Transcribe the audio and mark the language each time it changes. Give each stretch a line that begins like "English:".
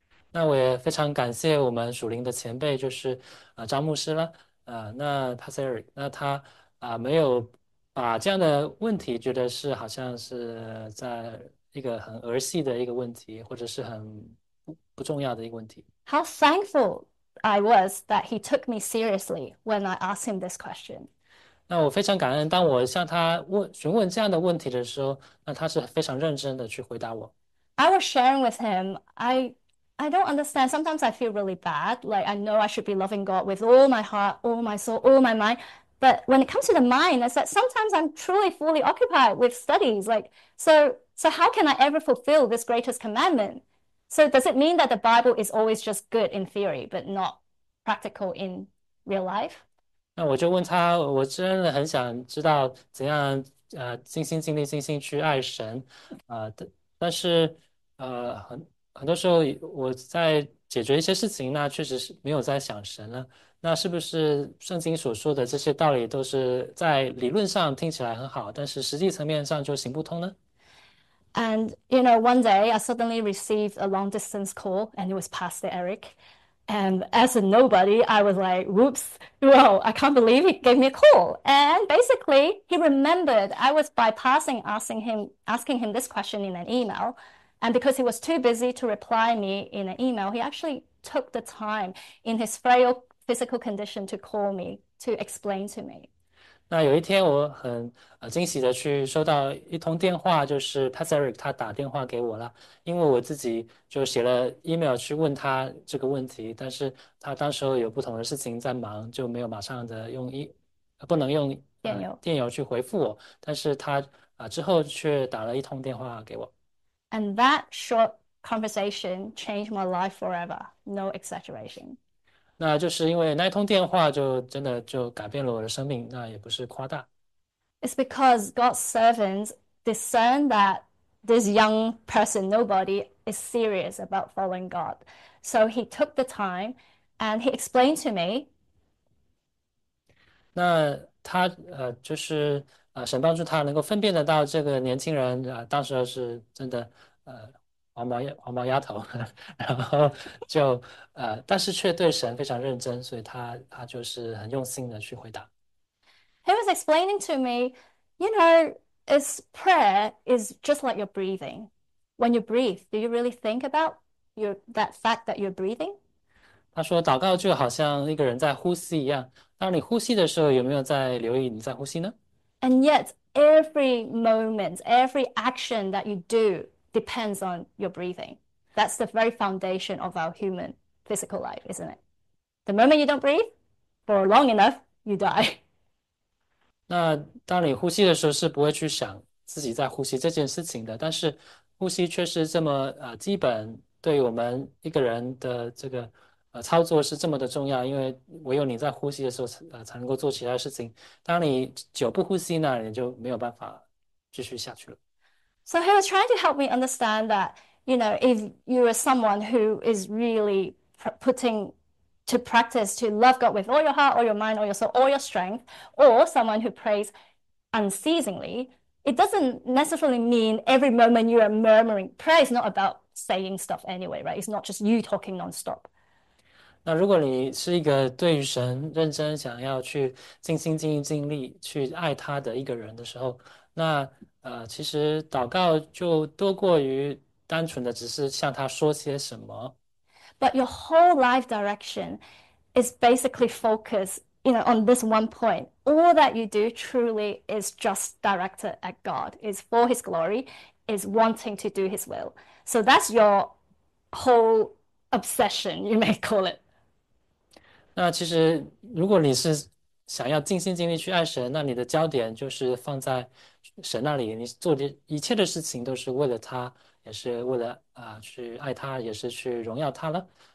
Chinese: 那我也非常感谢我们属灵的前辈，就是张牧师了，那 Pastor Eric，那他没有把这样的问题觉得是好像是在一个很儿戏的一个问题，或者是很不重要的一个问题。
English: How thankful I was that he took me seriously when I asked him this question.
Chinese: 那我非常感恩，当我向他询问这样的问题的时候，那他是非常认真的去回答我。
English: I was sharing with him, I don't understand. Sometimes I feel really bad. Like, I know I should be loving God with all my heart, all my soul, all my mind. But when it comes to the mind, it's that sometimes I'm truly fully occupied with studies. Like, so So how can I ever fulfill this greatest commandment? So does it mean that the Bible is always just good in theory, but not practical in real life?
Chinese: 那我就问他，我真的很想知道怎样尽心尽力尽心去爱神，但是很多时候我在解决一些事情，那确实是没有在想神了。那是不是圣经所说的这些道理都是在理论上听起来很好，但是实际层面上就行不通呢？
English: And you know, one day I suddenly received a long distance call, and it was Pastor Eric. And as a nobody, I was like, whoops, whoa, I can't believe he gave me a call. And basically, he remembered I was bypassing asking him this question in an email. And because he was too busy to reply me in an email, he actually took the time in his frail physical condition to call me to explain to me.
Chinese: 那有一天，我很惊喜的去收到一通电话，就是 Patrick 他打电话给我了，因为我自己就写了 email 去问他这个问题，但是他当时候有不同的事情在忙，就没有马上的用不能用电邮。电邮去回复我，但是他之后却打了一通电话给我。
English: And that short conversation changed my life forever. No exaggeration.
Chinese: 那就是因为那通电话，就真的就改变了我的生命，那也不是夸大。
English: It's because God's servants discern that this young person, nobody, is serious about following God. So he took the time and he explained to me.
Chinese: 那他就是神帮助他能够分辨得到这个年轻人当时是真的黄毛丫头，然后就但是却对神非常认真，所以他就是很用心的去回答。
English: He was explaining to me, you know, is prayer is just like you're breathing. When you breathe, do you really think about that fact that you're breathing?
Chinese: 他说祷告就好像一个人在呼吸一样，当你呼吸的时候，有没有在留意你在呼吸呢？
English: And yet, every moment, every action that you do depends on your breathing. That's the very foundation of our human physical life, isn't it? The moment you don't breathe for long enough, you die.
Chinese: 那当你呼吸的时候，是不会去想自己在呼吸这件事情的。但是，呼吸却是这么基本，对于我们一个人的这个操作是这么的重要。因为唯有你在呼吸的时候，才能够做其他事情。当你久不呼吸呢，你就没有办法继续下去了。
English: So he was trying to help me understand that, you know, if you are someone who is really pr putting to practice to love God with all your heart, all your mind, all your soul, all your strength, or someone who prays unceasingly, it doesn't necessarily mean every moment you are murmuring. Prayer is not about saying stuff anyway, right? It's not just you talking nonstop.
Chinese: 那如果你是一个对于神认真想要去尽心尽意尽力去爱他的一个人的时候，那其实祷告就多过于单纯的只是向他说些什么。
English: But your whole life direction is basically focused, you know, on this one point. All that you do truly is just directed at God, is for His glory, is wanting to do His will. So that's your whole obsession, you may call it.
Chinese: 那其实，如果你是想要尽心尽力去爱神，那你的焦点就是放在神那里，你做的一切的事情都是为了他，也是为了去爱他，也是去荣耀他了。